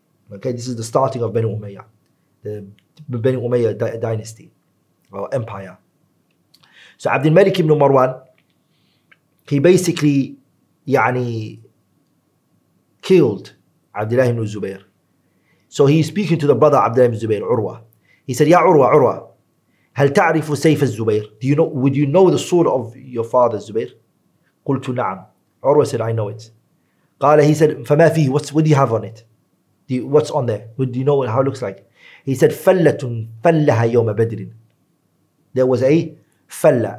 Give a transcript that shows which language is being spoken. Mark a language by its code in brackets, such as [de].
[en] Okay, this is the starting of Banu Umayyah, the Banu Umayyah dynasty or empire. So Abdul Malik ibn Marwan, he basically يعني killed Abdullah ibn Zubayr. So he's speaking to the brother Abdullah ibn Zubayr, Urwa. He said, Ya Urwa, Urwa, [ar] هل تعرف سيف الزبير? [en] Do you know, would you know the sword of your father, Zubayr? [ar] قلت نعم. [en] Urwa said, I know it. قال, he said, [ar] فما فيه? [en] What's, what do you have on it? Do you, what's on there? What, do you know how it looks like? He said, [ar] فلة فلها يوم بدر. [en] There was a فلة.